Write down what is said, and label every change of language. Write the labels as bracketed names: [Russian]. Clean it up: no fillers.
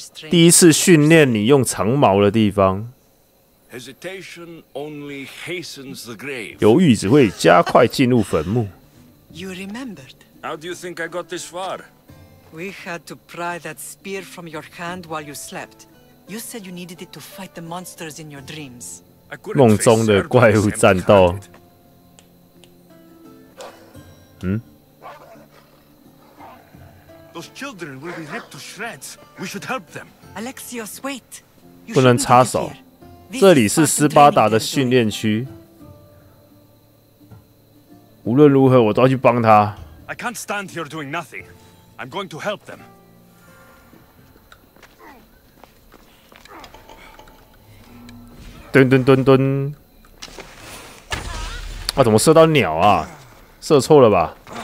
[Chinese] 第一次训练你用长矛的地方。 [English] Hesitation only hastens the grave. [Chinese] 犹豫只会加快进入坟墓。 [English] You remembered. How do you think I got this far? We had to pry that spear from your hand while you slept. You said you needed it to fight the monsters in your dreams. [Chinese] 梦中的怪物战斗。 [English] Those children will be ripped to shreds. We should help them. Alexios, wait. [Chinese] 不能插手。这里是斯巴达的训练区，无论如何我都要去帮他。 [English] I can't stand here doing nothing. I'm going to help them. [Chinese] 蹲蹲蹲蹲，啊，怎么射到鸟啊？射错了吧？